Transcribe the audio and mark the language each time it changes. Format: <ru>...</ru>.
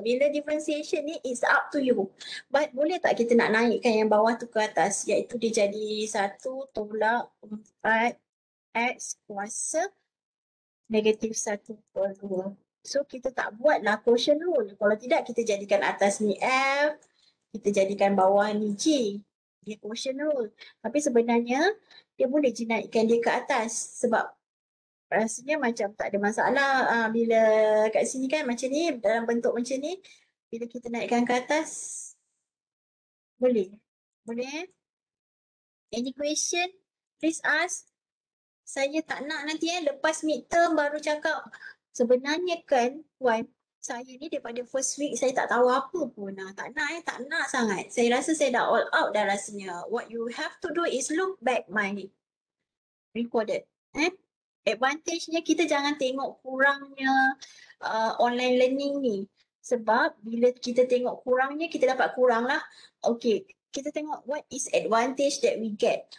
<ms>Bila differentiation ni,</ms> <en>it's up to you.</en> <ms>But boleh tak kita nak naikkan yang bawah tu ke atas? Iaitu dia jadi 1 tolak 4 X kuasa negatif 1 per 2. So kita tak buatlah quotient rule. Kalau tidak, kita jadikan atas ni F, kita jadikan bawah ni G. Dia quotient rule. Tapi sebenarnya dia boleh je naikkan dia ke atas. Sebab rasanya macam tak ada masalah bila kat sini kan macam ni. Dalam bentuk macam ni, bila kita naikkan ke atas, boleh. Boleh.</ms> <en>Any question? Please ask.</en> <ms>saya tak nak nanti lepas midterm baru cakap. Sebenarnya kan, Wan, saya ni daripada first week saya tak tahu apa pun. Tak nak tak nak sangat. Saya rasa saya dah all out dah rasanya.</ms> <en>What you have to do is look back my recorded.</en> <ms>Advantage-nya kita jangan tengok kurangnya online learning ni. Sebab bila kita tengok kurangnya, kita dapat kurang lah. Okay, kita tengok</ms> <en>what is advantage that we get.</en>